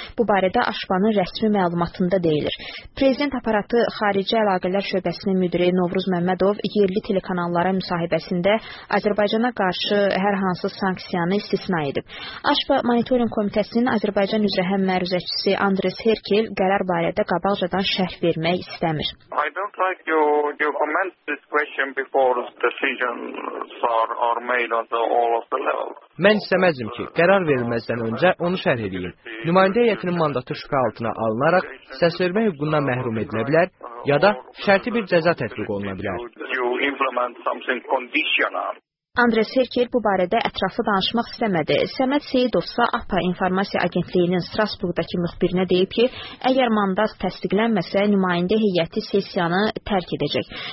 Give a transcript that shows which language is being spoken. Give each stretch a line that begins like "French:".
Azerbaijani: Bu barədə Aşbanın rəsmi məlumatında deyilir. Prezident aparatı Xarici Əlaqələr Şöbəsinin müdiri Novruz Məmmədov yerli telekanallara müsahibəsində Azərbaycana qarşı hər hansı sanksiyanı istisna edib. Aşba Monitorinq Komitəsinin Azərbaycan üzrə həm məruzəçisi Andres Herkel qərar barədə qabaqcadan şərh vermək istəmir.
English: I don't like your comments this question before decisions are made on all of the level.
Azerbaijani: Mən istəməzdim ki, qərar verilməzdən öncə onu şərh edeyim. Nümayəndə heyətinin mandatı şübhə altına alınaraq səs vermə hüququndan məhrum edilə bilər ya da şərti bir cəza tətbiq oluna bilər. Andre Serker bu barədə ətraflı danışmaq istəmədi. Səməd Seyidovsa APA İnformasiya Agentliyinin Strasburqdakı müxbirinə deyib ki, əgər mandat təsdiqlənməsə, nümayəndə heyəti sessiyanı tərk edəcək.